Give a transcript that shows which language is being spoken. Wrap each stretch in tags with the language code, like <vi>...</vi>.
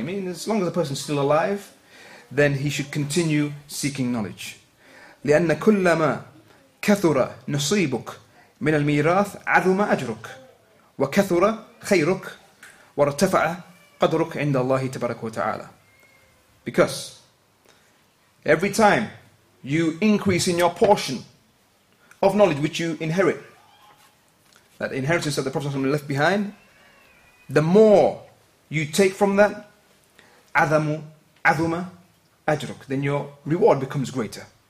<en>I mean, as long as the person is still alive, then he should continue seeking knowledge.</en> <ar>لأن كلما كثر نصيبك من الميراث عظم أجرك وكثر خيرك وارتفع قدرك عند الله تبارك وتعالى.</ar> <en>Because every time you increase in your portion of knowledge which you inherit, that inheritance that the Prophet ﷺ left behind, the more you take from that,</en> <ar>عظم أجرك,</ar> <en>then your reward becomes greater.</en>